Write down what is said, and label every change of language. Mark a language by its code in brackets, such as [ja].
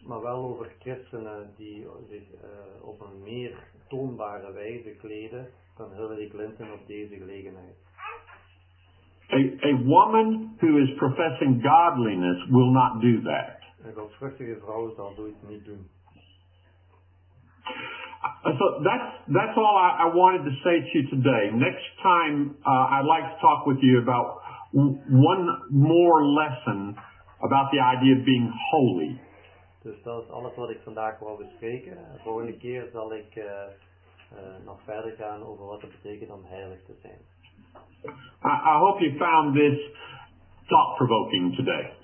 [nl] Maar wel over christenen die zich op een meer toonbare wijze kleden dan Hillary Clinton op deze gelegenheid. [en] A woman who is professing godliness will not do that. [nl] Een godsvruchtige vrouw zal zoiets niet doen. [en] So that's all I wanted to say to you today. Next time, I'd like to talk with you about one more lesson about the idea of being holy. [nl] Dus dat is alles wat ik vandaag wou bespreken. Volgende keer zal ik nog verder gaan over wat het betekent om heilig te zijn. [en] I hope you found this thought-provoking today.